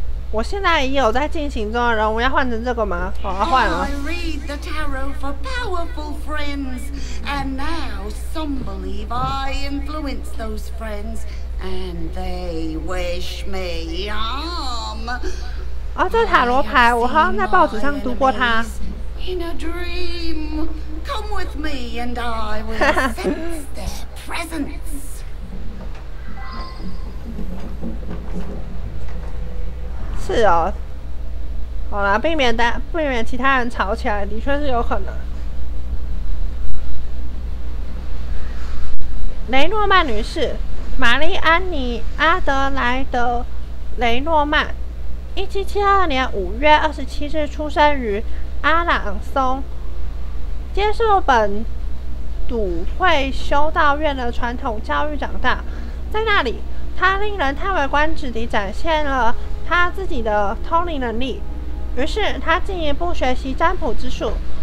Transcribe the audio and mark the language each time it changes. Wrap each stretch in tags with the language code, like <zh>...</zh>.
<zh>我现在也有在进行中的任务，要换成这个吗？好，要换了。</zh> <en>I read the tarot for powerful friends, and now some believe I influence those friends, and they wish me harm.</en> <zh>啊，这塔罗牌，我好像在报纸上读过它。</zh> <en>In a dream, come with me, and I will sense their presence.</en> <zh>是哦，好啦，避免其他人吵起来，的确是有可能。雷诺曼女士，玛丽安妮阿德莱德雷诺曼，1772年5月27日出生于阿朗松，接受本笃会修道院的传统教育长大，在那里，她令人叹为观止地展现了他自己的通灵能力，于是他进一步学习占卜之术。</zh>